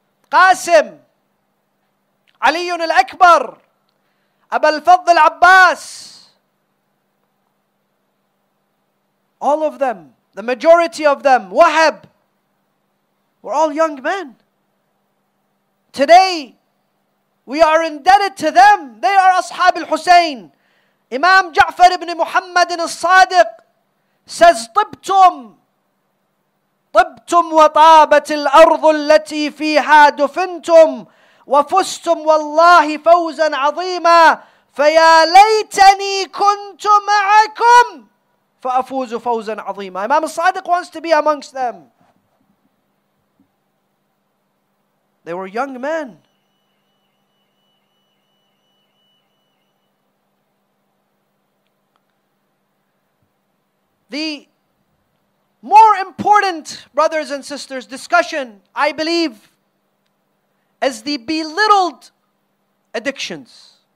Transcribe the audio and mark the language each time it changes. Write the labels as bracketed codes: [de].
[en] Qasim, Ali al-Akbar, Abu al-Fadl al-Abbas. All of them, the majority of them, Wahab, were all young men. Today, we are indebted to them. They are Ashab al-Hussein. [ar] Imam Ja'far ibn Muhammad al-Sadiq says, طبتم طبتم وطابت الأرض التي فيها دفنتم وفستم والله فوزا عظيما فيا ليتني كنت معكم فأفوز فوزا عظيما. [en] Imam al-Sadiq wants to be amongst them. They were young men. The more important, brothers and sisters, discussion, I believe, is the belittled addictions.